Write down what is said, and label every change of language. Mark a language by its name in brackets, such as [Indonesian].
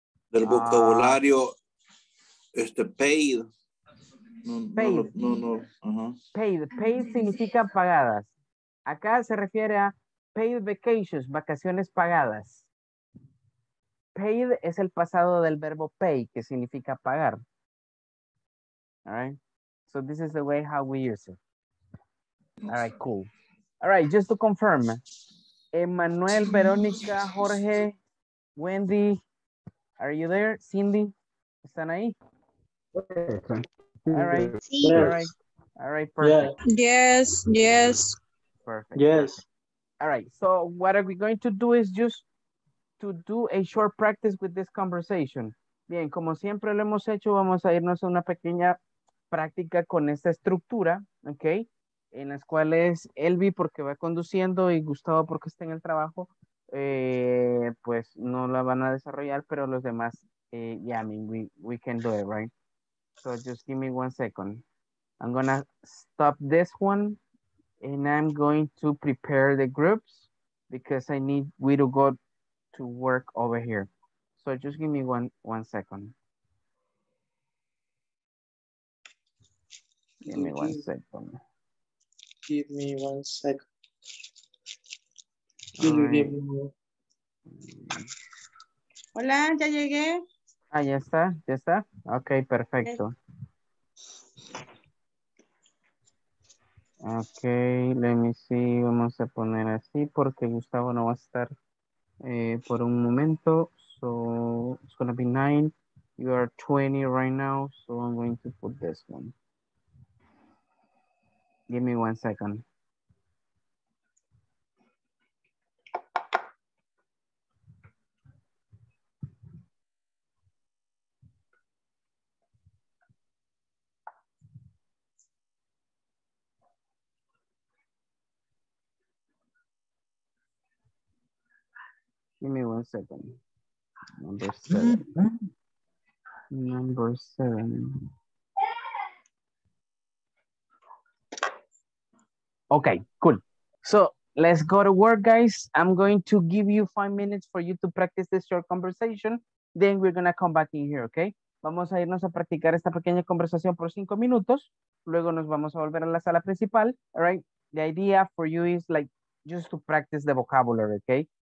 [Spanish] Del vocabulario, paid. Paid significa pagadas. Acá se refiere a paid vacations, vacaciones pagadas. Paid es el pasado del verbo pay, que significa pagar. [English] All right. So this is the way how we use it. All right, cool. All right, just to confirm. Emmanuel, Verónica, Jorge, Wendy, are you there? [Spanish] Cindy, ¿están ahí? [English] All right. Yes. All right, perfect. Yes, yes. Perfect. Yes. All right, so what are we going to do is just to do a short practice with this conversation. [Spanish] Bien, como siempre lo hemos hecho, vamos a irnos a una pequeña práctica con esta estructura, okay? En las cuales Elvi, porque va conduciendo, y Gustavo, porque está en el trabajo, pues no la van a desarrollar, pero los demás, [English] we can do it, right? So just give me one second. I'm going to stop this one, and I'm going to prepare the groups, because I need we to go to work over here. So just give me one second. Give me one second. Give me one second. [Spanish] Hola, ya llegué. Ah, ya está. Ok, perfecto. [English] Okay. Ok, let me see. [Spanish] Vamos a poner así porque Gustavo no va a estar por un momento. [English] So, it's going to be 9. You are 20 right now, so I'm going to put this one. Give me one second. Give me one second. Number seven. Okay, cool. So let's go to work, guys. I'm going to give you 5 minutes for you to practice this short conversation. Then we're going to come back in here, okay? [Spanish] Vamos a irnos a practicar esta pequeña conversación por 5 minutos. Luego nos vamos a volver a la sala principal, [English] all right? The idea for you is like just to practice the vocabulary, okay?